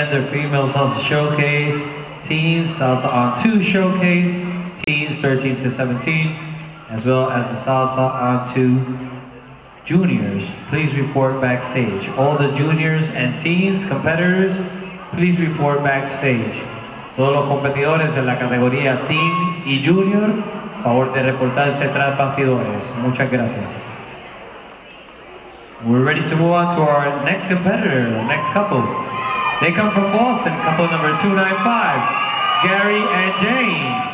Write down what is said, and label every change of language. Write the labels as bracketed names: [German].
[English] Female salsa showcase, teens salsa on 2 showcase, teens 13 to 17, as well as the salsa on 2 juniors. Please report backstage. All the juniors and teens competitors, please report backstage. [Spanish] Todos los competidores en la categoría teen y junior, favor de reportarse tras bastidores. Muchas gracias. [English] We're ready to move on to our next competitor, next couple. They come from Boston, couple number 295, Gary and Jane.